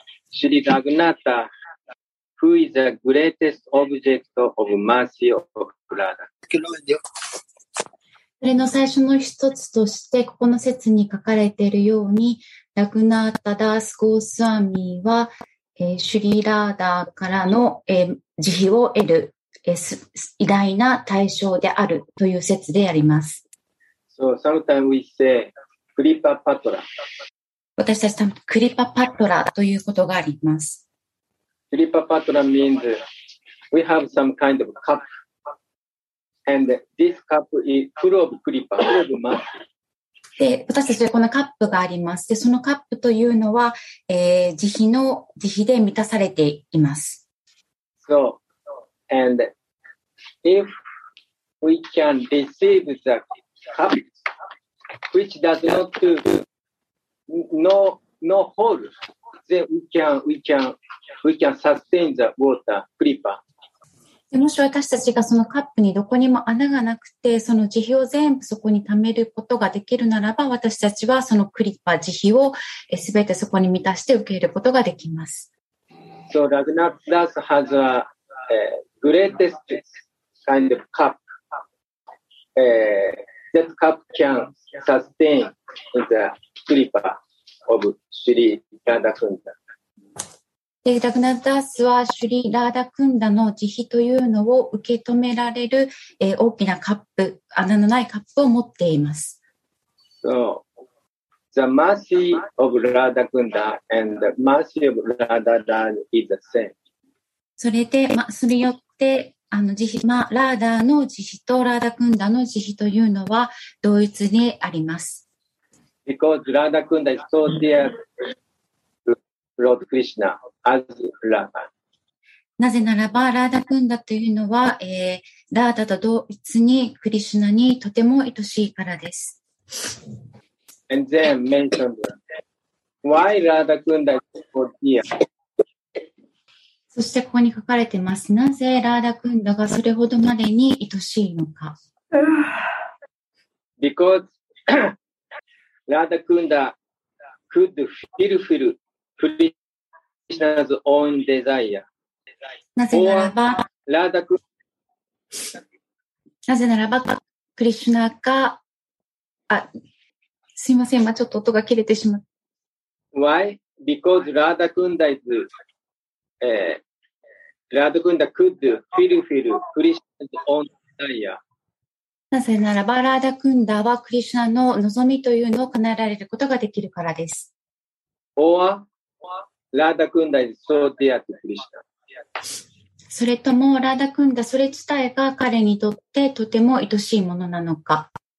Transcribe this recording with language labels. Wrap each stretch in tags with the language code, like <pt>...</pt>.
<en>Sri Raghunatha, who is the greatest object of mercy of Radha?</en> <ja>それの最初の一つとして、ここの説に書かれているように、ラグナータダースゴースワミは、シュリーラーダーからの、慈悲を得る、偉大な対象であるという説であります。</ja> <en>So sometimes we say,クリパパトラ。</en> <ja>私たちはクリパパトラということがあります。</ja> <en>クリパパトラ means we have some kind of cup. And this cup is full of クリパ、full of mercy.</en> <ja>で、私たちはこのカップがあります。で、そのカップというのは、慈悲の、慈悲で満たされています。</ja> <en>So, and if we can receive the cup,which does not do no hole, then we can sustain the water, Kripa.</en> <ja>もし私たちがそのカップにどこにも穴がなくて、その慈悲を全部そこに貯めることができるならば、私たちはそのクリパ、慈悲をすべてそこに満たして受け入れることができます。</ja> <en>So Raghunath Das has a greatest kind of cup. That cup can sustain the Kripa of Sri Radha Kunda.</en> <ja>で、ラグナダースはシュリーラーダクンダの慈悲というのを受け止められる、大きなカップ、穴のないカップを持っています。</ja> <en>So, the mercy of Radha Kunda and the mercy of Radha Das is the same.</en> <ja>それで、まあ、それによってあの慈悲、まあ、ラーダの慈悲とラーダクンダの慈悲というのは同一にあります。</ja> <en>Because Radha Kunda is so dear to Lord Krishna as Radha.</en> <ja>なぜならば、ラーダクンダというのは、ラーダと同一にクリシュナにとても愛しいからです。</ja> <en>And then mentioned why Radha Kunda is so dear.</en> <ja>そしてここに書かれてます。なぜラーダクンダがそれほどまでに愛しいのか。</ja> <en>Because Radha Kunda could fulfill Krishna's own desire.</en> <ja>なぜならば、ラーダクンダ。なぜならば、クリシュナが、あ、すいません、今ちょっと音が切れてしまった。</ja> <en>Why? because Radha Kunda is Radha Kunda could fulfill Krishna's own desire.</en> <ja>なぜならばラーダクンダはクリシュナの望みというのを叶えられることができるからです。</ja> <en>Or ラーダクンダ is so dear to Krishna.</en> <ja>それともラーダクンダそれ自体が彼にとってとても愛しいものなのか。</ja>